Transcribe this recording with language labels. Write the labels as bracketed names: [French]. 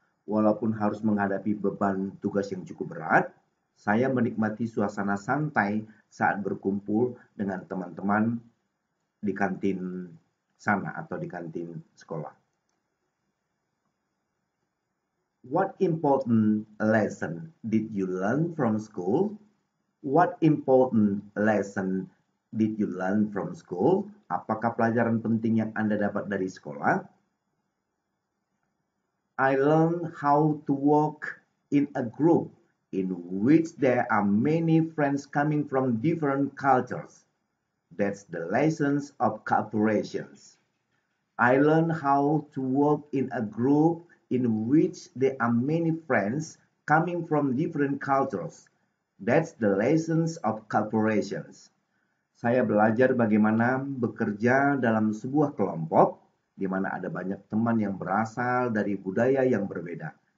[Indonesian] Walaupun harus menghadapi beban tugas yang cukup berat, saya menikmati suasana santai saat berkumpul dengan teman-teman di kantin sana atau di kantin sekolah. [English] What important lesson did you learn from school? What important lesson did you learn from school? [Indonesian] Apakah pelajaran penting yang Anda dapat dari sekolah? [English] I learned how to work in a group in which there are many friends coming from different cultures. That's the lessons of cooperation. I learned how to work in a group in which there are many friends coming from different cultures. That's the lessons of cooperation. [Indonesian] Saya belajar bagaimana bekerja dalam sebuah kelompok di mana ada banyak teman yang berasal dari budaya yang berbeda.